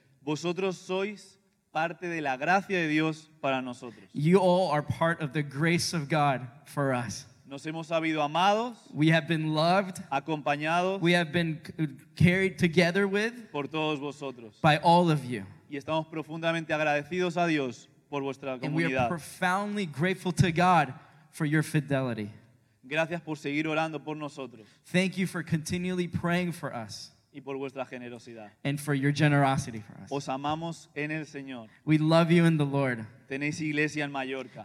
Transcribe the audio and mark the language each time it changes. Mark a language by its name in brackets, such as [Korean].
[Spanish] Vosotros sois parte de la gracia de Dios para nosotros. [English] You all are part of the grace of God for us. [Spanish] Nos hemos sabido amados. [English] We have been loved. [Spanish] Acompañados. [English] We have been carried together with. [Spanish] Por todos vosotros. [English] By all of you. [Spanish] Y estamos profundamente agradecidos a Dios por vuestra comunidad. [English] And we are profoundly grateful to God for your fidelity. [Spanish] Gracias por seguir orando por nosotros. [English] Thank you for continually praying for us. [Spanish] y por vuestra generosidad. [English] And for your generosity for us. [Spanish] Os amamos en el Señor. [English] We love you in the Lord. [Spanish] Tenéis iglesia en Mallorca.